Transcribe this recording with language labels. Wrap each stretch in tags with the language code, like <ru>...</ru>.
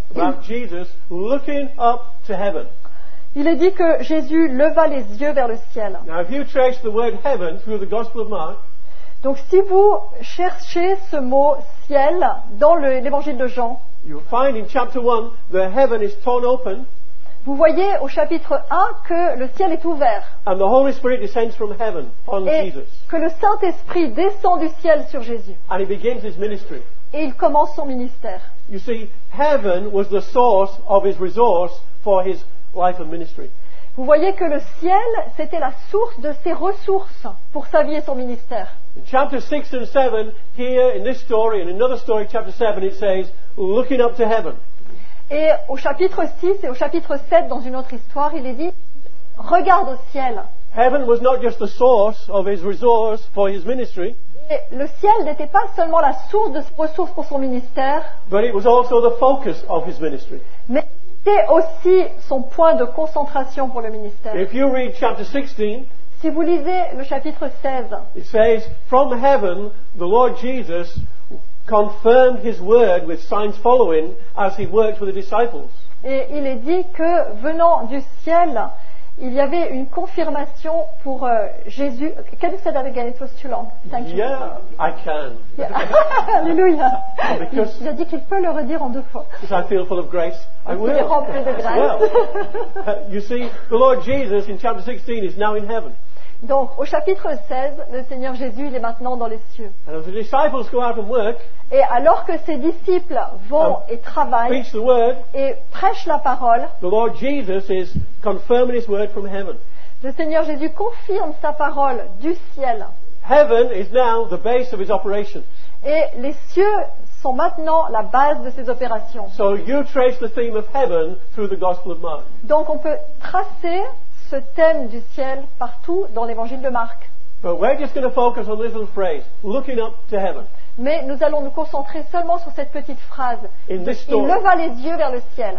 <en>about Jesus looking up to heaven.</en> <fr>Il est dit que Jésus leva les yeux vers le ciel.</fr> <en>Now if you trace the word heaven through the Gospel of Mark,</en> <fr>donc si vous cherchez ce mot ciel dans l'Évangile de Jean,</fr> <en>you'll find in chapter 1 the heaven is torn open.</en> <fr>Vous voyez au chapitre 1 que le ciel est ouvert.</fr> <en>And the Holy Spirit descends from heaven on</en> <fr>et</fr> <en>Jesus.</en> <fr>Que le Saint-Esprit descend du ciel sur Jésus.</fr> <en>And he begins his ministry.</en> <fr>Et il commence son ministère.</fr> <en>You see, heaven was the source of his resource for his life and ministry.</en> <fr>Vous voyez que le ciel, c'était la source de ses ressources pour sa vie et son ministère.</fr> <en>In chapter 6 and 7, here in this story, in another story, chapter 7, it says, looking up to heaven.</en> <fr>Et au chapitre 6 et au chapitre 7, dans une autre histoire, il est dit, regarde au ciel.</fr> <en>Heaven was not just the source of his resource for his ministry.</en> <fr>Et le ciel n'était pas seulement la source de ses ressources pour son ministère.</fr> <en>But it was also the focus of his ministry.</en> <fr>Mais c'était aussi son point de concentration pour le ministère.</fr> <en>If you read chapter 16,</en> <fr>si vous lisez le chapitre 16,</fr> <en>it says, from heaven, the Lord Jesus confirmed his word with signs following as he worked with the disciples.</en> <fr>Et il est dit que venant du ciel, il y avait une confirmation pour Jésus.</fr> <en>Can you say that again? It was too long. Thank you. Yeah, I can. Yeah. Alléluia.</en> <fr>Il a dit qu'il peut le redire en deux fois.</fr> <en>Because I feel full of grace, I will.</en> <fr>Il est rempli de grâce.</fr> <en>Well, you see, the Lord Jesus in chapter 16 is now in heaven.</en> <fr>Donc, au chapitre 16, le Seigneur Jésus, il est maintenant dans les cieux.</fr> <en>And as the disciples go out and work,</en> <fr>et alors que ses disciples vont et travaillent</fr> <en>preach the word,</en> <fr>et prêchent la parole,</fr> <en>the Lord Jesus is confirming his word from heaven.</en> <fr>Le Seigneur Jésus confirme sa parole du ciel.</fr> <en>Heaven is now the base of his operations.</en> <fr>Et les cieux sont maintenant la base de ses opérations.</fr> <en>So you trace the theme of heaven through the Gospel of Mark.</en> <fr>Donc on peut tracer ce thème du ciel partout dans l'évangile de Marc.</fr> <en>But we're just going to focus on this little phrase, looking up to heaven.</en> <fr>Mais nous allons nous concentrer seulement sur cette petite phrase.</fr> <en>In this story,</en> <fr>il leva les yeux vers le ciel.</fr>